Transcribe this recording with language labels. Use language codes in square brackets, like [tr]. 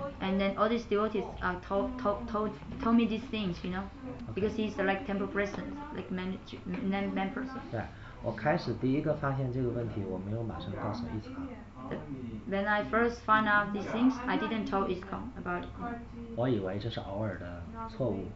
[en] And then all these devotees are told me these things, you know, because he's like temple president, like members. [zh] 对，我开始第一个发现这个问题，我没有马上告诉伊斯康。 [en] When I first find out these things, I didn't tell Iskong about it. [zh] 我以为这是偶尔的错误。